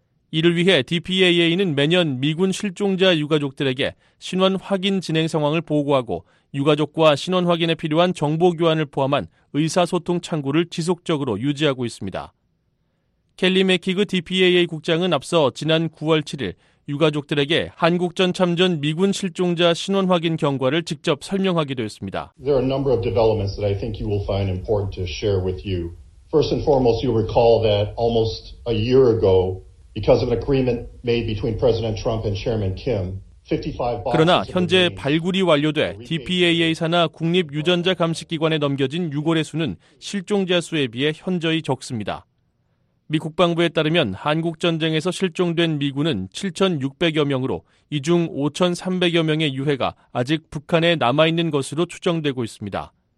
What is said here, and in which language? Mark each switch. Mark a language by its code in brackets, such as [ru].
[ko] 이를 위해 DPAA는 매년 미군 실종자 유가족들에게 신원 확인 진행 상황을 보고하고 유가족과 신원 확인에 필요한 정보 교환을 포함한 의사소통 창구를 지속적으로 유지하고 있습니다. 켈리 맥히그 DPAA 국장은 앞서 지난 9월 7일 유가족들에게 한국전 참전 미군 실종자 신원 확인 경과를 직접 설명하기도 했습니다. [en] There are a number of developments that I think you will find important to share with you. First and foremost, you recall that almost a year ago, because of an agreement made between President Trump and Chairman Kim, [ko] 그러나 현재 발굴이 완료돼 DPAA 산하 국립유전자감식기관에 넘겨진 유골의 수는 실종자 수에 비해 현저히 적습니다. 미 국방부에 따르면 한국전쟁에서 실종된 미군은 7,600여 명으로 이 중 5,300여 명의 유해가 아직 북한에 남아있는 것으로 추정되고 있습니다.